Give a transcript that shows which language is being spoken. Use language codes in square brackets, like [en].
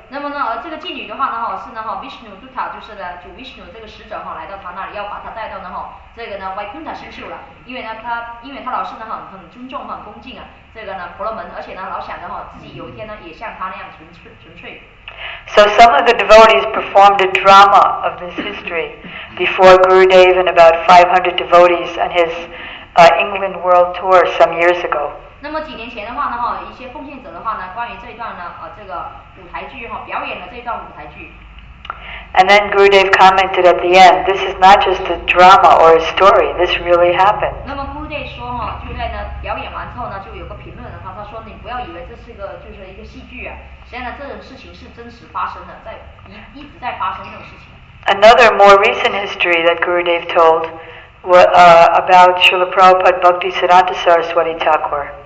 [zh] 那么呢，这个妓女的话呢，哈，是呢，哈 ，Vishnu Dutta 就是呢，就 Vishnu 这个使者哈，来到他那里，要把他带到呢，哈，这个呢 ，Vaikuntha 星宿了，因为呢，他因为他老是呢，哈，很尊重哈，恭敬啊，这个呢，婆罗门，而且呢，老想着哈，自己有一天呢，也像他那样纯粹。 [en] So some of the devotees performed a drama of this history before Gurudev and about 500 devotees on his England world tour some years ago. [zh] 那么几年前的话呢，一些奉献者的话呢，关于这一段呢，这个舞台剧哈，表演了这一段舞台剧。 [en] And then Gurudev commented at the end, "This is not just a drama or a story. This really happened." [zh] 那么 Gurudev 说哈，就在呢表演完之后呢，就有个评论的话，他说你不要以为这是一个就是一个戏剧啊，实际上这种事情是真实发生的，在一直在发生这种事情。 [en] Another more recent history that Gurudev told was about Srila Prabhupada Bhakti Siddhanta Saraswati Thakur.